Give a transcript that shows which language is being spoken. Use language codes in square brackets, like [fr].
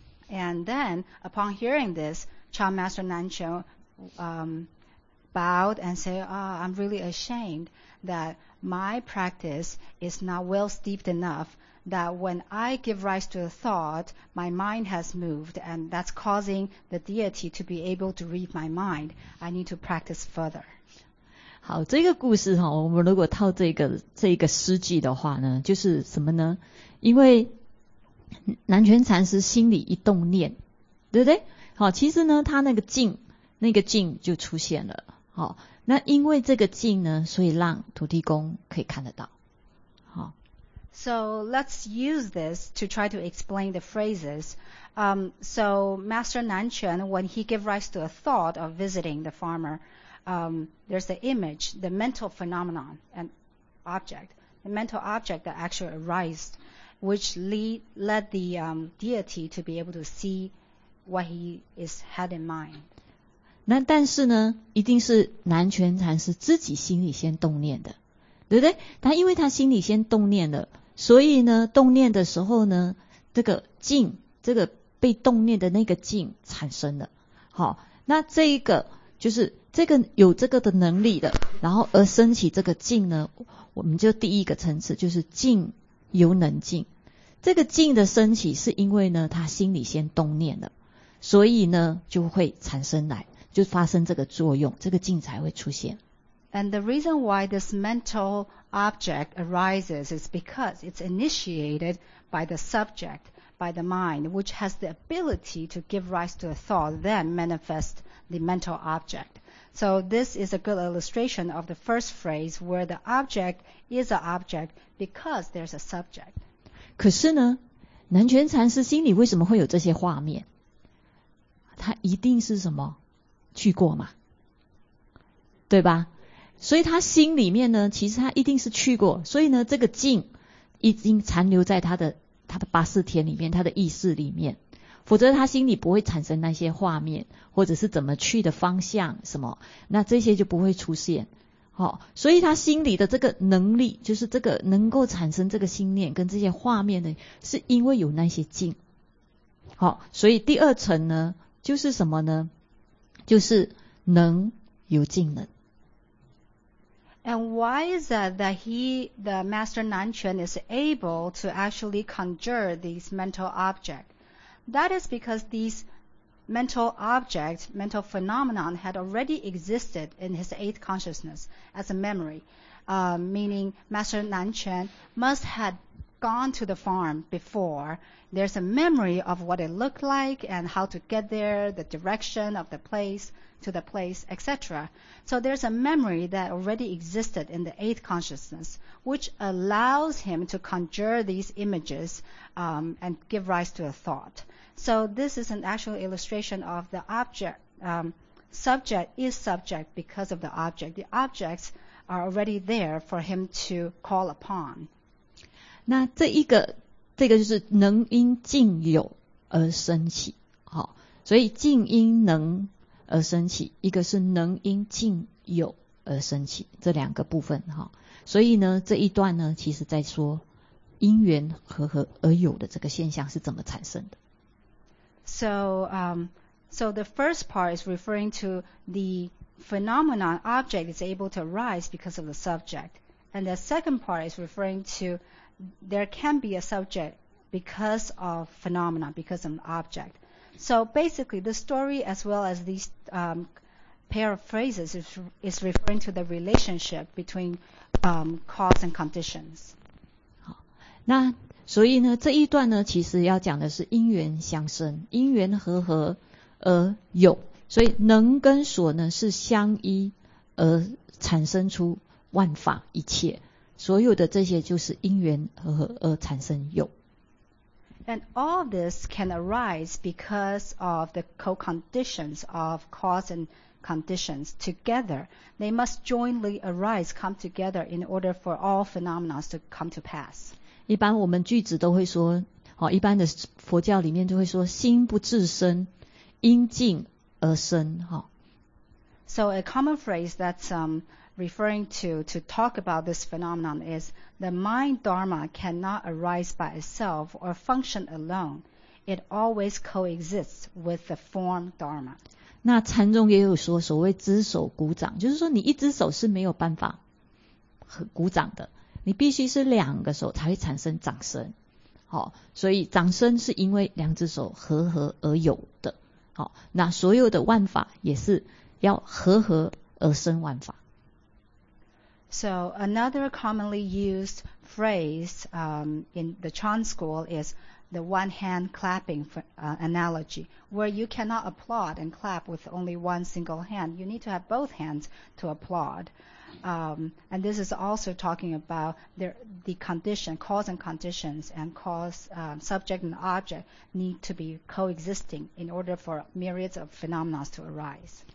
[en] And then upon hearing this, Chan Master Nan Quan bowed and said, oh, I'm really ashamed that my practice is not well steeped enough, that when I give rise to a thought, my mind has moved, and that's causing the deity to be able to read my mind. I need to practice further. [zh] 好，这个故事哈，我们如果套这个诗句的话呢，就是什么呢？因为南拳禅师心里一动念，对不对？好，其实呢，他那个境就出现了。好，那因为这个境呢，所以让土地公可以看得到。 [en] So let's use this to try to explain the phrases. So Master Nan Quan, when he gave rise to a thought of visiting the farmer, there's the image, the mental phenomenon and object, the mental object that actually arised, which led the deity to be able to see what he is had in mind. [zh] 那但是呢，一定是南拳禅师自己心里先动念的，对不对？他因为他心里先动念了。所以呢，动念的时候呢，这个境，这个被动念的那个境产生了。好，那这一个就是这个有这个的能力的，然后而升起这个境呢，我们就第一个层次就是境由能境。这个境的升起是因为呢，他心里先动念了，所以呢就会产生来，就发生这个作用，这个境才会出现。 [en] And the reason why this mental object arises is because it's initiated by the subject, by the mind, which has the ability to give rise to a thought, then manifest the mental object. So this is a good illustration of the first phrase where the object is an object because there's a subject. [zh] 可是呢，南拳禅师心里为什么会有这些画面？他一定是什么？去过嘛？对吧？所以他心里面呢，其实他一定是去过，所以呢，这个境已经残留在他的八识田里面，他的意识里面，否则他心里不会产生那些画面，或者是怎么去的方向什么，那这些就不会出现。好，所以他心里的这个能力，就是这个能够产生这个心念跟这些画面的，是因为有那些境。好，所以第二层呢，就是什么呢？就是能有境能。 [en] And why is that the Master Nan Quan is able to actually conjure these mental objects? That is because these mental objects, mental phenomenon had already existed in his eighth consciousness as a memory. Meaning Master Nan Quan must have gone to the farm before, there's a memory of what it looked like and how to get there, the direction of the place to the place, etc. So there's a memory that already existed in the eighth consciousness, which allows him to conjure these images and give rise to a thought. So this is an actual illustration of the object. Subject is subject because of the object. The objects are already there for him to call upon. [zh] 那这个就是能因境有而生起，好，所以境因能而生起，一个是能因境有而生起，这两个部分哈。所以呢，这一段呢，其实在说因缘和而有的这个现象是怎么产生的。 [en] So the first part is referring to the phenomenon object is able to arise because of the subject. And the second part is referring to there can be a subject because of phenomenon, because of an object. So basically, the story as well as these pair of phrases is referring to the relationship between cause and conditions. [zh] 那所以呢，这一段呢，其实要讲的是因缘相生，因缘和而有，所以能跟所呢是相依而产生出万法一切，所有的这些就是因缘和而产生有。 [en] And all this can arise because of the co-conditions of cause and conditions together. They must jointly arise, come together in order for all phenomena to come to pass. [zh] 一般我们句子都会说，好，一般的佛教里面就会说心不自生，因境而生，哦。 [en] So a common phrase that's referring to talk about this phenomenon is the mind dharma cannot arise by itself or function alone. It always coexists with the form dharma. [zh] 那禅宗也有说所谓只手鼓掌，就是说你一只手是没有办法鼓掌的，你必须是两个手才会产生掌声，哦，所以掌声是因为两只手合而有的。好，那所有的万法也是要合而生万法。 [en] So another commonly used phrase in the Chan school is the one hand clapping analogy, where you cannot applaud and clap with only one single hand. You need to have both hands to applaud. And this is also talking about the condition, cause and conditions, and cause, subject and object need to be coexisting in order for myriads of phenomena to arise.